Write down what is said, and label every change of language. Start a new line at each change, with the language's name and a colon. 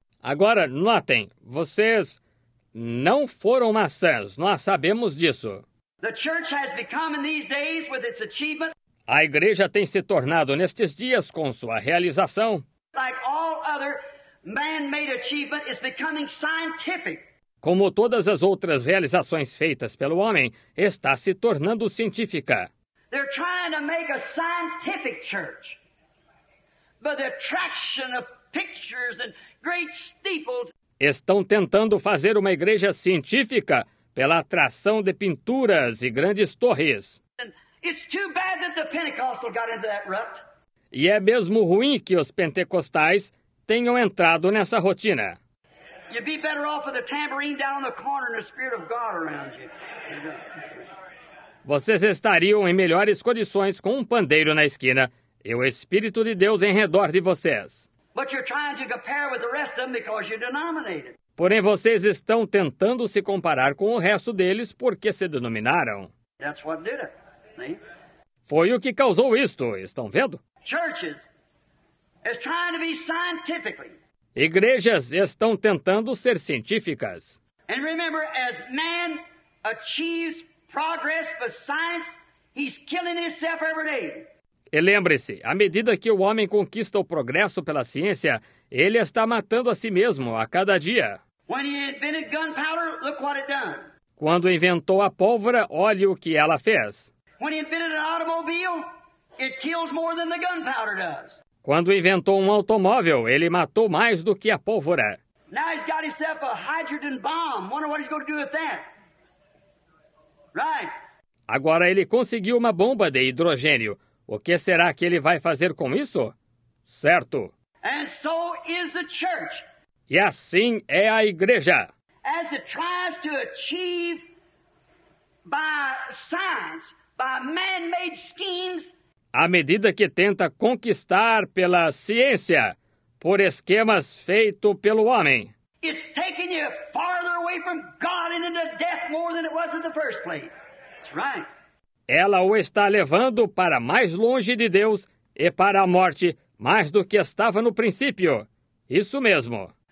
Portuguese: Agora, notem, vocês não foram maçãs, nós sabemos disso.
English: The church has become in these days with its achievement.
Portuguese: A igreja tem se tornado nestes dias com sua realização.
English: Like all other man-made achievement, it's becoming scientific.
Portuguese: Como todas as outras realizações feitas pelo homem, está se tornando científica.
English: They're trying to make a scientific church. But the attraction of pictures and great steeples.
Portuguese: Estão tentando fazer uma igreja científica pela atração de pinturas e grandes torres.
English: It's too bad that the Pentecostal got into that rut.
Portuguese: E é mesmo ruim que os pentecostais tenham entrado nessa rotina.
English: You'd be better off with a tambourine down on the corner and the Spirit of God around you.
Portuguese: Vocês estariam em melhores condições com um pandeiro na esquina e o Espírito de Deus em redor de vocês.
English: But you're trying to compare with the rest of them because you're denominated.
Portuguese: Porém, vocês estão tentando se comparar com o resto deles porque se denominaram.
English: That's what did it. See?
Portuguese: Foi o que causou isto, estão vendo?
English: Churches is trying to be scientifically.
Portuguese: Igrejas estão tentando ser científicas.
English: And remember, as man achieves progress for science, he's killing himself every day.
Portuguese: E lembre-se, à medida que o homem conquista o progresso pela ciência, ele está matando a si mesmo a cada dia.
English: When he invented gunpowder, look what it done.
Portuguese: Quando inventou a pólvora, olhe o que ela fez.
English: When he invented an automobile, it kills more than the gunpowder does.
Portuguese: Quando inventou um automóvel, ele matou mais do que a pólvora.
English: Now he's got himself a hydrogen bomb. Wonder what he's going to do with that. Right.
Portuguese: Agora ele conseguiu uma bomba de hidrogênio. O que será que ele vai fazer com isso? Certo.
English: And so is the church.
Portuguese: E assim é a igreja.
English: As it tries to achieve by science, by man-made schemes.
Portuguese: À medida que tenta conquistar pela ciência, por esquemas feitos pelo homem.
English: It's taking you farther away from God and into death more than it was in the first place. That's right.
Portuguese: Ela o está levando para mais longe de Deus e para a morte, mais do que estava no princípio. Isso mesmo.